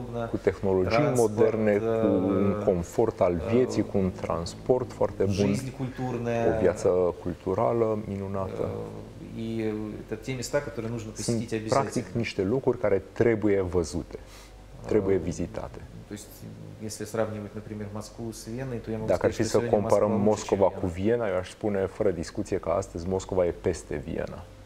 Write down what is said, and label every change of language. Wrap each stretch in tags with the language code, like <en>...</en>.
<ro>Cu tehnologii moderne, cu un confort al vieții, cu un transport foarte bun, o viață culturală minunată.</ro> <ru>И это те места, которые нужно посетить обязательно.</ru> <ro>Practic niște lucruri care trebuie văzute, trebuie vizitate.</ro> <ru>То есть, если сравнивать, например, Москву с Веной, то я могу</ru> <ro>Dacă ar fi să comparăm Moscova cu Viena, eu aș spune fără discuție că astăzi Moscova e peste Viena.</ro>